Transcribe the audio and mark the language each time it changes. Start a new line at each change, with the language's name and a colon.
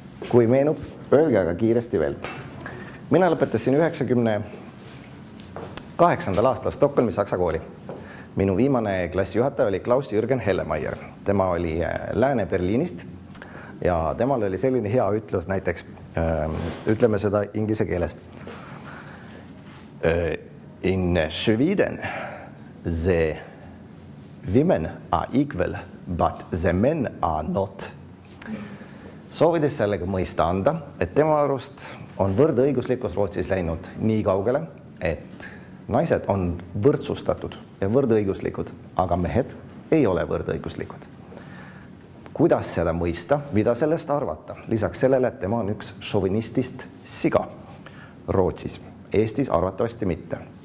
Estonian: Kui meenub, öelge aga kiiresti veel. Mina lõpetasin 98. aastal Stockholmi Saksa kooli. Minu viimane klassijuhataja oli Klaus-Jürgen Hellemeyer. Tema oli Lääne-Berliinist ja temal oli selline hea ütlus, näiteks ütleme seda inglise keeles.
English: In Sweden, the women are equal, but the men are not.
Estonian: Soovides sellega mõista anda, et tema arust on võrdõiguslikus Rootsis läinud nii kaugele, et naised on võrdsustatud ja võrdõiguslikud, aga mehed ei ole võrdõiguslikud. Kuidas seda mõista, mida sellest arvata? Lisaks sellele, et tema on üks šovinistist siga Rootsis, Eestis arvatavasti mitte.